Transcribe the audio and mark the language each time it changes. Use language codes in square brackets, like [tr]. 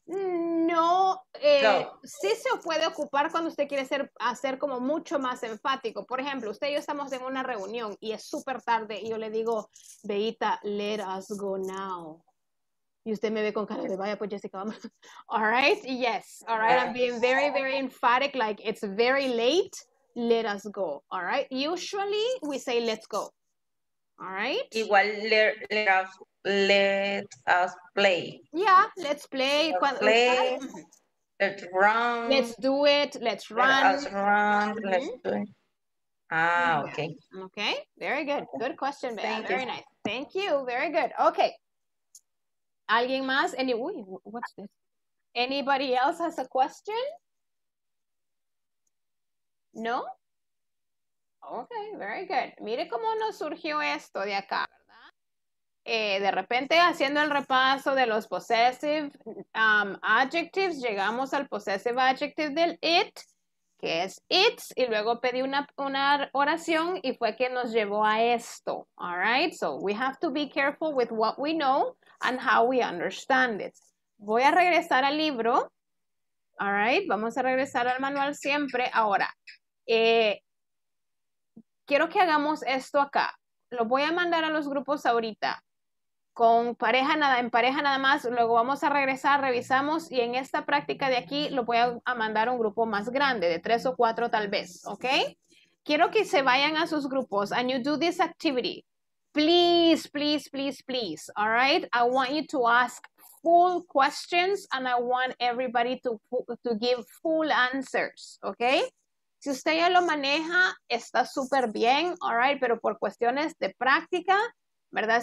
[es] No, sí se puede ocupar cuando usted quiere hacer como mucho más enfático. Por ejemplo, usted y yo estamos en una reunión y es súper tarde y yo le digo, Beita, let us go now. Y usted me ve con cara de vaya, pues Jessica, vamos. [en] All right, yes, all right, yes. I'm being very, very emphatic, like it's very late, let us go, all right. Usually we say let's go. All right. Igual let us play. Yeah, let's play. Let's play. Let's run. Let's do it. Let's run. Let's run. Mm-hmm. Let's do it. Ah, okay. Okay. Very good. Good question, Bea. Very nice. Thank you. Very good. Okay. ¿Alguien más? What's this? Anybody else has a question? No. Okay, very good. [es] Mire cómo nos surgió esto de acá, ¿verdad? De repente, haciendo el repaso de los possessive adjectives, llegamos al possessive adjective del it, que es its, y luego pedí una oración y fue que nos llevó a esto. [en] All right, so we have to be careful with what we know and how we understand it. [es] Voy a regresar al libro. All right, vamos a regresar al manual siempre. Ahora, quiero que hagamos esto acá. Lo voy a mandar a los grupos ahorita. En pareja nada más. Luego vamos a regresar, revisamos. Y en esta práctica de aquí lo voy a mandar a un grupo más grande, de 3 o 4 tal vez. ¿Ok? Quiero que se vayan a sus grupos. And you do this activity. [en] Please, please, please, please. All right? I want you to ask full questions. And I want everybody to give full answers. ¿Ok? [es] Si usted ya lo maneja, está súper bien, all right, pero por cuestiones de práctica, ¿verdad?